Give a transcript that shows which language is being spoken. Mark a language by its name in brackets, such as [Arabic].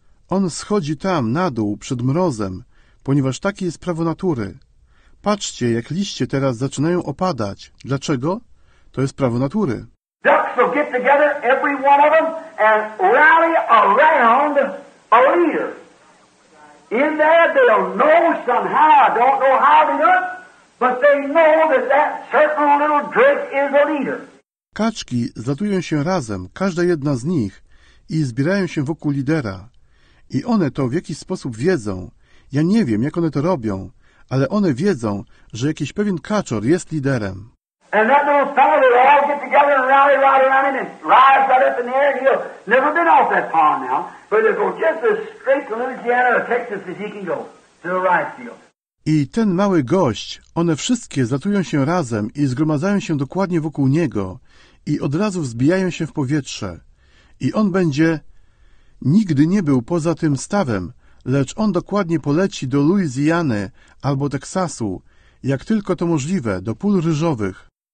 [Polish] On schodzi tam, na dół, przed mrozem, ponieważ takie jest prawo natury. Patrzcie, jak liście teraz zaczynają opadać. Dlaczego? To jest prawo natury. [English] Ducks will get together, every one of them, and rally around a leader. In there, they'll know somehow, I don't know how they do it, but they know that that certain little drake is a leader. [Polish] Kaczki zlatują się razem, każda jedna z nich, i zbierają się wokół lidera. I one to w jakiś sposób wiedzą. Ja nie wiem, jak one to robią, ale one wiedzą, że jakiś pewien kaczor jest liderem. [English] And that little fellow will all get together and rally right around him and rise right up in the air. And he'll never been off that pond now, but he'll go just as straight to Louisiana or Texas as he can go, to the right field. [Polish] I ten mały gość, one wszystkie zlatują się razem i zgromadzają się dokładnie wokół niego i od razu wzbijają się w powietrze. I on będzie... Nigdy nie był poza tym stawem, lecz on dokładnie poleci do Luizjany albo Teksasu, jak tylko to możliwe, do Pól Ryżowych.